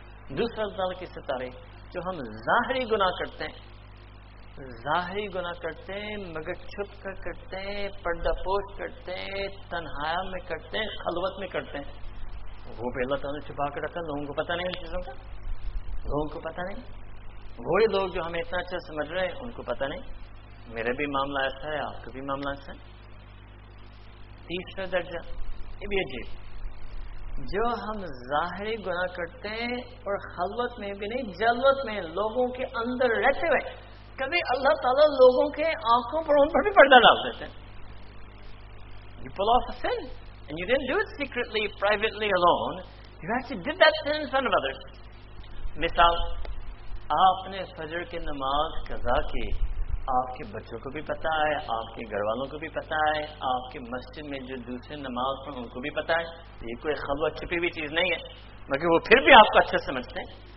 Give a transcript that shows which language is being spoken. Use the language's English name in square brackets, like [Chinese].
[Urdu] دوسرا اللہ تعالیٰ کی ستاری, جو ہم ظاہری گناہ کرتے ہیں, ظاہری گناہ کرتے ہیں مگر چھپ کر کرتے ہیں, پردہ پوش کرتے ہیں, تنہایا میں کرتے ہیں, خلوت میں کرتے ہیں, وہ بھی اللہ تعالیٰ نے چھپا کر رکھا, لوگوں کو پتہ نہیں ان چیزوں کا, لوگوں کو پتہ نہیں, وہی لوگ جو ہمیں اتنا اچھا سمجھ رہے ہیں ان کو پتہ نہیں, میرے بھی معاملہ ایسا ہے, آپ کا بھی معاملہ ایسا ہے. تیسرا درجہ, یہ بھی عجیب, جو ہم ظاہری گناہ کرتے ہیں اور خلوت میں بھی نہیں جلوت میں لوگوں کے اندر رہتے ہوئے کبھی اللہ تعالیٰ لوگوں کے آنکھوں پر ان پر بھی پردہ ڈال دیتے ہیں. [English] You pull off a sin and you didn't do it secretly, privately, alone. You actually did that sin in front of others. [Urdu] مثال آپ نے فجر کی نماز قضا کی, آپ کے بچوں کو بھی پتا ہے, آپ کے گھر والوں کو بھی پتا ہے, آپ کے مسجد میں جو دوسرے نماز پڑھ ان کو بھی پتا ہے. یہ کوئی خلوت چھپی ہوئی چیز نہیں ہے, مگر وہ پھر بھی آپ کو اچھا سمجھتے ہیں.